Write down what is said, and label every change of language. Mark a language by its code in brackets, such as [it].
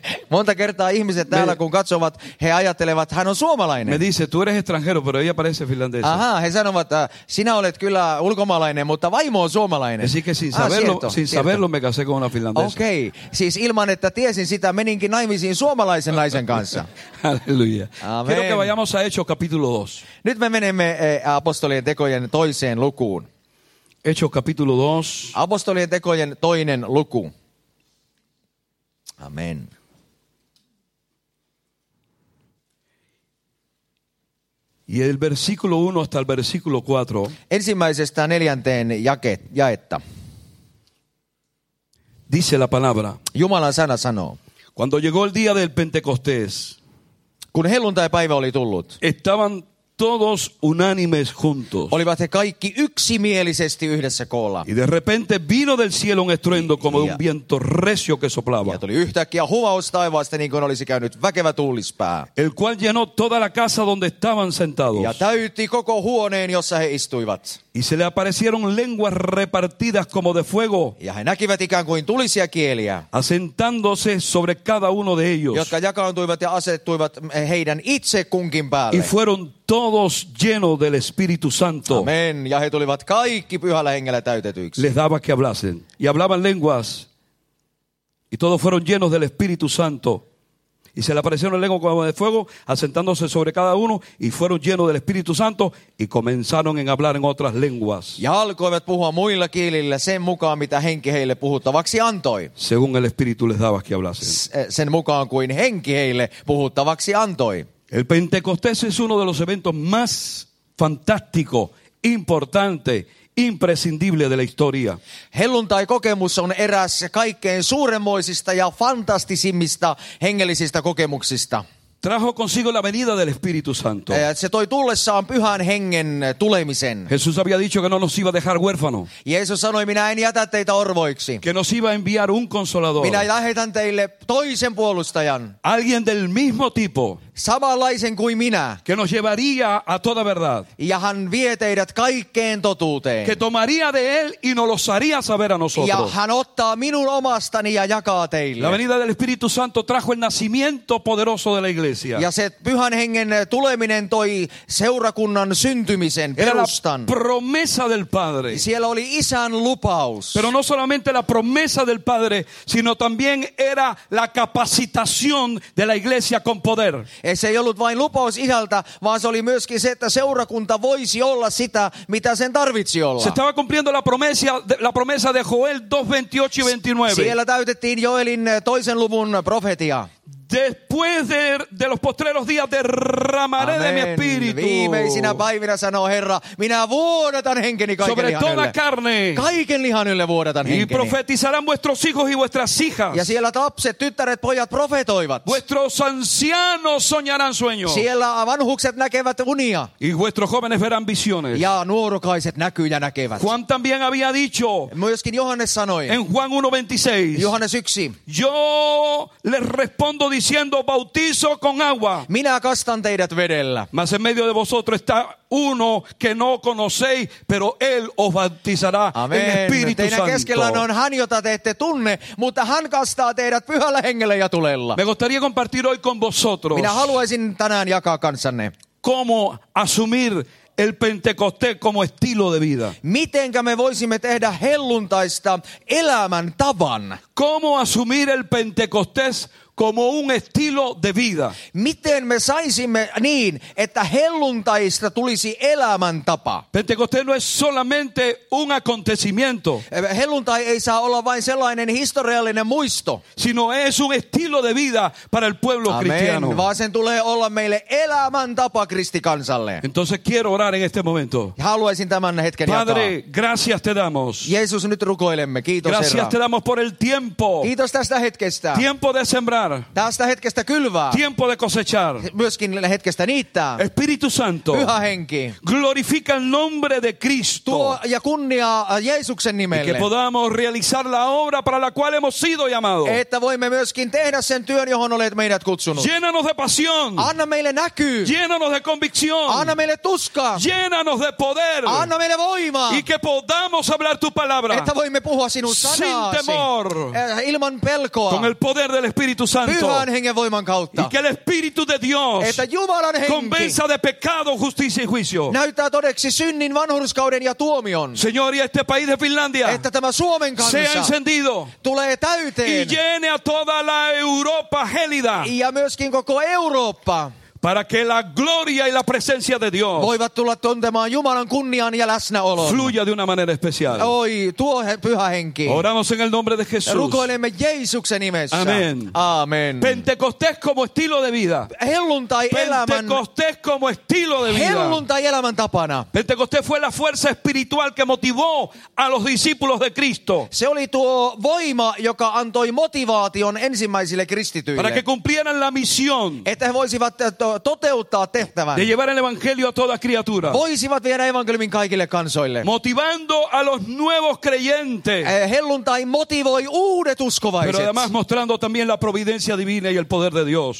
[fi] Monta kertaa ihmiset täällä, kun katsovat, he ajattelevat, hän on suomalainen. [es] Me dice, tú eres extranjero, pero ella parece finlandesa. [fi] Aha, he sanovat, sinä olet kyllä ulkomaalainen, mutta vaimo on suomalainen. [es] Así que sin saberlo me casé con una finlandesa. [fi] Okay, siis ilman, että tiesin sitä, meninkin naimisiin suomalaisen naisen kanssa. [es] Aleluya. Amen. Quiero que vayamos a Hechos capítulo 2. [fi] Nyt me menemme apostolien tekojen toiseen lukuun. [es] Hechos capítulo 2. [fi] Apostolien tekojen toinen luku. [es] Amen. Y el versículo 1 hasta el versículo 4. [fi] Ensimmäisestä neljänteen jaetta. [es] Dice la palabra. [fi] Jumalan sana sanoo. [es] Cuando llegó el día del Pentecostés. [fi] Kun helluntaipäivä oli tullut. [es] Estaban todos unánimes juntos. [fi] Olivat he kaikki yksimielisesti yhdessä koolla. [es] Y de repente vino del cielo un estruendo como de un viento recio que soplaba. [fi] Ja tuli yhtäkkiä huvaus taivaasta niin kuin olisi käynyt väkevä tuulispää. [es] El cual llenó toda la casa donde estaban sentados. [fi] Ja täytti koko huoneen, jossa he istuivat. [es] Y se le aparecieron lenguas repartidas como de fuego. [fi] Ja he näkivät ikään kuin tulisia kieliä. [es] Asentándose sobre cada uno de ellos. [fi] Jotka jakaantuivat ja asettuivat heidän itse kunkin päälle. [es] Y fueron todos llenos del Espíritu Santo. Amén. [fi] Ja he tulivat kaikki pyhällä hengellä täytetyiksi. [es] Les daba que hablasen. Y hablaban lenguas. Y todos fueron llenos del Espíritu Santo. Y se le aparecieron lenguas como de fuego, asentándose sobre cada uno, y fueron llenos del Espíritu Santo, y comenzaron a hablar en otras lenguas. [fi] Ja alkoivat puhua muilla kielillä sen mukaan, mitä henki heille puhuttavaksi antoi. [es] Según el Espíritu les daba que hablasen. [fi] Sen mukaan kuin henki heille puhuttavaksi antoi. [es] El Pentecostés es uno de los eventos más fantásticos, importantes, imprescindibles de la historia. [fi] Helluntai-kokemus on eräs kaikkein suuremmoisista ja fantastisimmista hengellisistä kokemuksista. [es] Trajo consigo la venida del Espíritu Santo. [fi] Se toi tullessaan pyhän hengen tulemisen. [es] Jesús había dicho que no nos iba a dejar huérfanos. [fi] Jeesus sanoi, minä en jätä teitä orvoiksi. [es] Que nos iba a enviar un consolador. [fi] Minä lähetän teille toisen puolustajan. [es] Alguien del mismo tipo. [fi] Samanlaisen kuin minä. [es] Que nos llevaría a toda verdad. [fi] Ja hän vie teidät kaikkeen totuuteen. [es] Que tomaría de él y nos lo haría saber a nosotros. [fi] Ja hän ottaa minun omastani ja jakaa teille. [es] La venida del Espíritu Santo trajo el nacimiento poderoso de la iglesia. [fi] Ja se pyhän hengen tuleminen toi seurakunnan syntymisen perustan. [es] Era la promesa del Padre. [fi] Siellä oli isän lupaus. [es] Pero no solamente la promesa del Padre, sino también era la capacitación de la iglesia con poder. [fi] Se ei ollut vain lupaus isältä, vaan se oli myöskin se, että seurakunta voisi olla sitä, mitä sen tarvitsi olla. [es] Se estaba cumpliendo la promesa de Joel 2:28-29. [fi] Siellä täytettiin Joelin toisen luvun profetia. [es] Después de los postreros días derramaré de mi espíritu. [fi] Viimeisinä päivinä sanoo Herra, minä vuodatan henkeni kaiken lihan ylle. [es] Sobre toda carne. [fi] Kaiken lihan ylle vuodatan henkeni. [es] Y profetizarán vuestros hijos y vuestras hijas. [fi] Ja siellä lapset, tyttäret, pojat profetoivat. [es] Vuestros ancianos soñarán sueños. [fi] Siellä vanhukset näkevät unia. [es] Y vuestros jóvenes verán visiones. [fi] Ja nuorukaiset näkyy ja näkevät. [es] Juan también había dicho. [fi] Myöskin Johannes sanoi. [es] En Juan 1:26. [fi] Johannes 1. [es] Yo les respondo diciendo bautizo con agua. [fi] Minä kastan teidät vedellä. [es] Mas en medio de vosotros está uno que no conocéis, pero él os bautizará en Espíritu Santo. [fi] Teidän keskellänne on hän, jota te ette tunne, mutta hän kastaa teidät pyhällä hengellä ja tulella. [es] Me gustaría compartir hoy con vosotros. [fi] Minä haluaisin tänään jakaa kanssanne. [es] Cómo asumir el Pentecostés como estilo de vida. [fi] Mitenkä me voisimme tehdä helluntaista elämän tavan? [es] Cómo asumir el Pentecostés como un estilo de vida. [fi] Miten me saisimme niin, että helluntaista tulisi elämäntapa? [es] Pentecostés no es solamente un acontecimiento. [fi] Helluntai ei saa olla vain sellainen historiallinen muisto. [es] Sino es un estilo de vida para el pueblo cristiano. [fi] Vaan sen tulee olla meille elämäntapa kristikansalle. [es] Entonces quiero orar en este momento. [fi] Haluaisin tämän hetken jatkaa. [es] Padre, gracias te damos. [fi] Jeesus, nyt rukoilemme. Kiitos, Herra. [es] Gracias te damos por el tiempo. [fi] Kiitos tästä hetkestä. [es] Tiempo de sembrar. [fi] Tästä hetkestä kylvää. [es] Tiempo de cosechar. [fi] Myöskin hetkestä niittää. [es] Espíritu Santo. [fi] Pyhä henki. [es] Glorifica el nombre de Cristo. [fi] Tuo ja kunnia Jeesuksen nimelle. [es] Y que podamos realizar la obra para la cual hemos sido llamados. [fi] Että voimme myöskin tehdä sen työn, johon olet meidät kutsunut. [es] Llénanos de pasión. [fi] Anna meille näkyy. [es] Llénanos de convicción. [fi] Anna meille tuska. [es] Llénanos de poder. [fi] Anna meille voimaa. [es] Y que podamos hablar tu palabra. [fi] Että voimme puhua sinun sanasi. [es] Sin temor. [fi] Ilman pelkoa. [es] Con el poder del Espíritu Santo. [fi] Pyhän hengen voiman kautta. [es] Y que el Espíritu de Dios, [fi] että Jumalan henki, [es] convenza de pecado, justicia y juicio. [fi] Näyttää todeksi synnin, vanhurskauden ja tuomion. [es] Señor, y este país de Finlandia, [fi] että tämä Suomen kansa, [es] sea encendido, [fi] tulee täyteen, [es] y llene a toda la Europa gélida, [fi] ja myöskin koko Eurooppa, [es] para que la gloria y la presencia de Dios, [fi] voivat tulla tuntemaan Jumalan kunnian ja läsnäolon, [es] fluya de una manera especial. [fi] Oi, tuo pyhä henki. [es] Oramos en el nombre de Jesús. [fi] Rukoilemme Jeesuksen nimessä. [es] Amén. Amén. Pentecostés como estilo de vida. [fi] Helluntai elämän. [es] Pentecostés como estilo de vida. [fi] Helluntai elämän tapana. [es] Pentecostés fue la fuerza espiritual que motivó a los discípulos de Cristo. [fi] Se oli tuo voima, joka antoi motivaation ensimmäisille kristityille. [es] Para que cumplieran la misión. [fi] Että he voisivat toteuttaa tehtävän. [es] De llevar el evangelio a todas criaturas. [fi] Voisivat viedä evankeliumin kaikille kansoille. [es] Motivando a los nuevos creyentes. [fi] Helluntai motivoi uudet uskovaiset. [es] Pero además mostrando también la providencia divina y el poder de Dios.